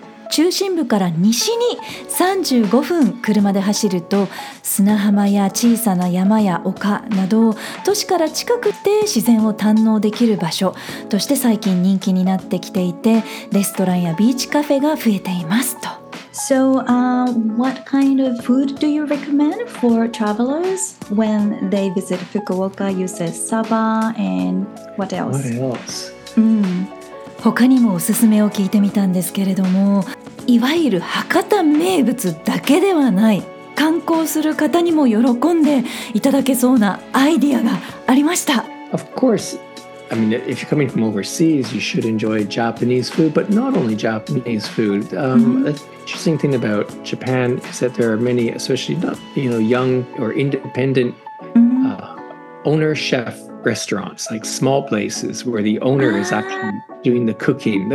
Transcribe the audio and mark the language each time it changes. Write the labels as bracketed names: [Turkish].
[Japanese] 中心部から西に35分車で走ると、砂浜や小さな山や丘など都市から近くて自然を堪能できる場所として最近人気になってきていて、レストランやビーチカフェが増えていますと。 [English] So, what kind of food do you recommend for travelers when they visit Fukuoka? You said Saba and what else? What else? [Japanese] 他にもおすすめを聞いてみたんですけれども、いわゆる博多名物だけではない、観光する方にも喜んでいただけそうなアイディアがありました。 [English] Of course, I mean, if you're coming from overseas, you should enjoy Japanese food, but not only Japanese food. Interesting thing about Japan is that there are many, especially not, you know, young or independent owner chef restaurants, like small places where the owner is actually doing the cooking.